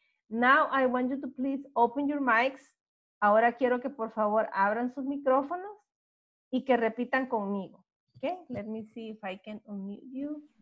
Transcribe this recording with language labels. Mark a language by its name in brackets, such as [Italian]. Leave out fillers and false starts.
[English] Now I want you to please open your mics. [Spanish] Ahora quiero que por favor abran sus micrófonos y que repitan conmigo, okay? [English] Let me see if I can unmute you.